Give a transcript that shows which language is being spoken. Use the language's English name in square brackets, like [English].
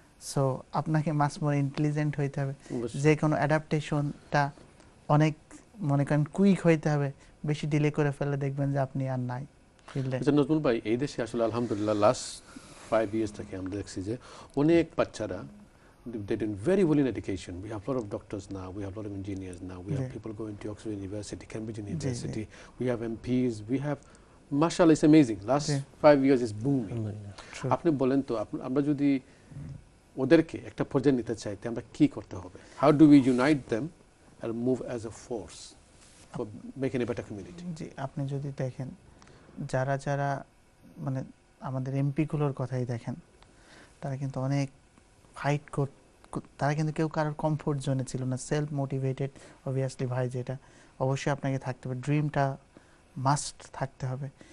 [Bangla] So আপনাকে মাস more intelligent হইতে হবে, যে কোনো অ্যাডাপ্টেশনটা অনেক মনে করেন কুইক হইতে হবে, বেশি ডিলে করে ফেলে দেখবেন যে আপনি আর নাই ফিল্ডে। নজমুল ভাই, এই দেশে আসলে আলহামদুলিল্লাহ লাস্ট 5 years থেকে আমরা দেখছি যে অনেক বাচ্চারা [English] they did very well in education. We have a lot of doctors now, we have a lot of engineers now, we have people going to Oxford University, Cambridge University, we have MPs, we have marshal, is amazing, last 5 years is boom. [Bangla] আপনি বলেন তো আমরা যদি ওদেরকে একটা পর্যায়ে নিতে চাই তো আমরা কী করতে হবে? [English] How do we unite them আর move as a force for making a better community? [Bangla] জি, আপনি যদি দেখেন যারা যারা মানে আমাদের এমপিগুলোর কথাই দেখেন, তারা কিন্তু অনেক ফাইট করত, তারা কিন্তু কেউ কারোর কমফোর্ট জোনে ছিল না, সেলফ মোটিভেটেড অবভিয়াসলি ভাই, যেটা অবশ্যই আপনাকে থাকতে হবে, ড্রিমটা মাস্ট থাকতে হবে।